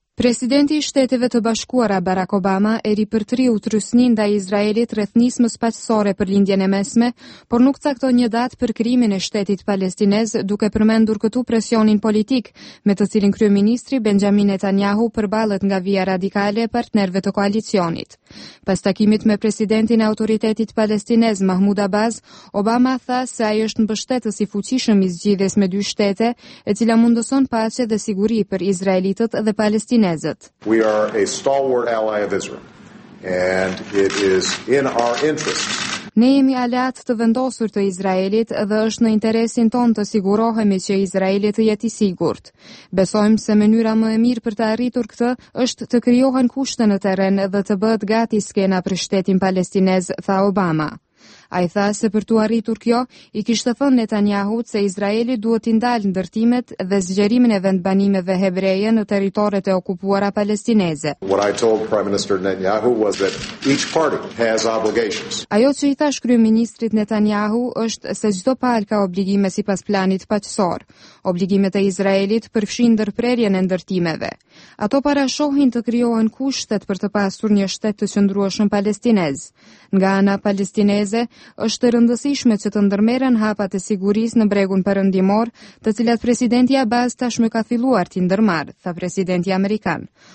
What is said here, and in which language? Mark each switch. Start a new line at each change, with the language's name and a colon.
Albanian: Presidenti i Shteteve të Bashkuara Barack Obama e ripërtriu trysninë ndaj Izraelit rreth nismës paqësore për lindjen e mesme, por nuk caktoi një datë për krimin e shtetit palestinez, duke përmendur këtu presionin politik, me të cilin kryeministri Benjamin Netanyahu përballet nga Via Radikale e partnerëve të koalicionit. Pas takimit me presidentin e autoritetit palestinez Mahmud Abbas, Obama tha se ai është mbështetës i fuqishëm i zgjidhjes me dy shtete, e cila mundëson paqe dhe siguri për izraelitët dhe palestinezët.
English: We are a stalwart ally of Israel, and it is in our interest.
Albanian: Ne jemi aleat të vendosur të Izraelit dhe është në interesin ton të sigurohemi që Izraeli të jetë i sigurt. Besojmë se mënyra më e mirë për të arritur këtë është të krijohen kushte në terren dhe të bëhet gati skena për shtetin palestinez, tha Obama. Ai tha se për të arritur kjo, i kishte thënë Netanyahut se Izraeli duhet t'i ndalë ndërtimet dhe zgjerimin e vendbanimeve hebreje në territoret e okupuara palestineze.
English: What I told Prime Minister Netanyahu was that each party has obligations.
Albanian: Ajo që i thash kryeministrit Netanyahu është se çdo palë ka obligime sipas planit paqësor. Obligimet e Izraelit përfshin ndërprerjen e ndërtimeve. Ato parashohin të krijohen kushtet për të pasur një shtet të qëndrueshëm palestinez. Nga ana palestineze, është rëndësishme që të ndërmerren hapat e sigurisë në bregun perëndimor, të cilat presidenti Abbas tashmë ka filluar t'i ndërmarr, tha presidenti amerikan.